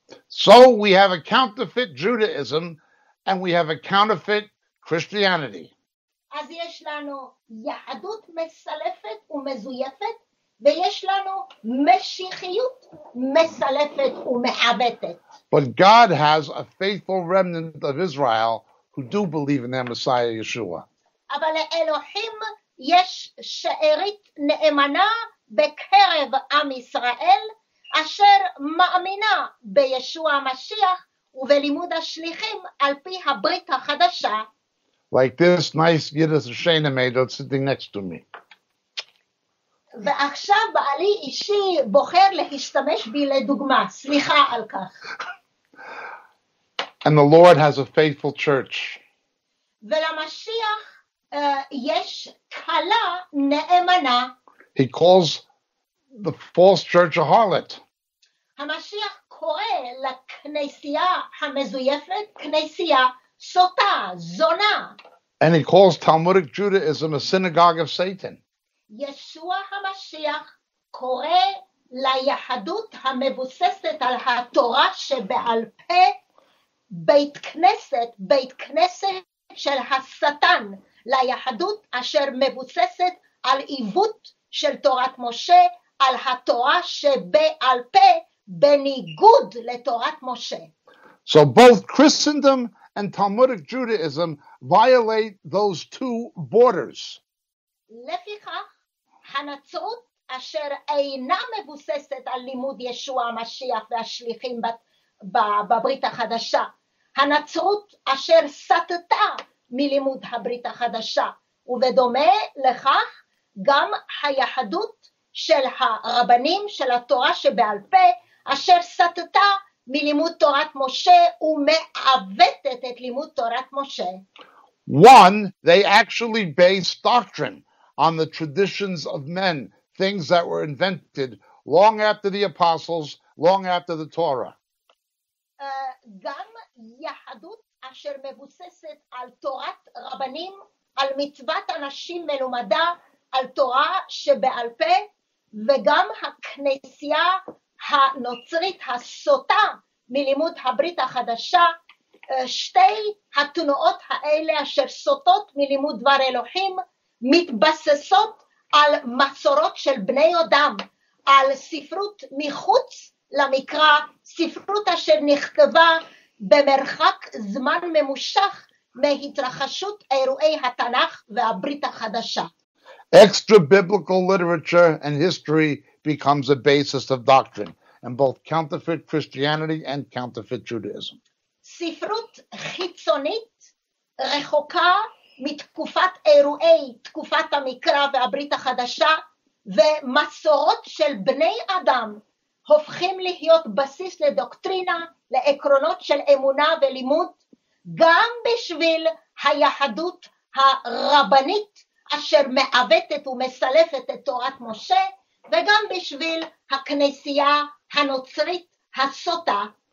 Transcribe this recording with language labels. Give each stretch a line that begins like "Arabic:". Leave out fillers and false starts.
English: So we have a counterfeit Judaism, and we have a counterfeit Christianity.
Hebrew: אז יש לנו יהדות מסלפת ומזויפת, ויש לנו משיחיות מסלפת ומעוותת.
English: But God has a faithful remnant of Israel who do believe in their Messiah Yeshua.
Hebrew: אבל לאלוהים יש שארית נאמנה בקרב עם ישראל אשר מאמינה בישוע המשיח ובלימוד השליחים על פי הברית החדשה.
English: Like this nice Yiddish Shana made sitting next to me.
Hebrew: ועכשיו בעלי אישי בוחר להשתמש בי לדוגמה. סליחה על כך.
English: And the Lord has a faithful church.
Hebrew: ולמשיח יש קלה נאמנה.
English: He calls the false church a harlot.
Hebrew: המשיח קורא לכנסייה המזויפת כנסייה סוטה, זונה.
English: And he calls Talmudic Judaism a synagogue of Satan.
Hebrew: ישוע המשיח קורא ליהדות המבוססת על התורה שבעל פה, בית כנסת, בית כנסת של השטן, ליהדות אשר מבוססת על עיוות של תורת משה, על התורה שבעל פה, בניגוד לתורת משה.
English: So both Christendom and Talmudic Judaism violate those two borders.
Hebrew: לפיכך, הנצרות אשר אינה מבוססת על לימוד ישוע המשיח והשליחים בברית החדשה, הנצרות אשר סטתה מלימוד הברית החדשה, ובדומה לכך גם היהדות של הרבנים של התורה שבעל פה, אשר סטתה מלימוד תורת משה ומעוותת את לימוד תורת משה.
English: One, they actually base doctrine on the traditions of men, things that were invented long after the apostles, long after the Torah.
Hebrew: גם יהדות אשר מבוססת על תורת רבנים, על מצוות אנשים מלומדה, על תורה שבעל פה, וגם הכנסייה הנוצרית הסוטה מלימוד הברית החדשה, שתי התנועות האלה אשר סוטות מלימוד דבר אלוהים, מתבססות על מסורות של בני אדם, על ספרות מחוץ למקרא, ספרות אשר נכתבה במרחק זמן ממושך מהתרחשות אירועי התנ"ך והברית החדשה.
English: Extra biblical literature and history becomes a basis of doctrine in both counterfeit Christianity and counterfeit Judaism.
Hebrew: ספרות חיצונית רחוקה מתקופת אירועי תקופת המקרא והברית החדשה ומסורות של בני אדם הופכים להיות בסיס לדוקטרינה, לעקרונות של אמונה ולימוד, גם בשביל היהדות הרבנית אשר מעוותת ומסלפת את תורת משה, וגם בשביל הכנסייה הנוצרית הסוטה.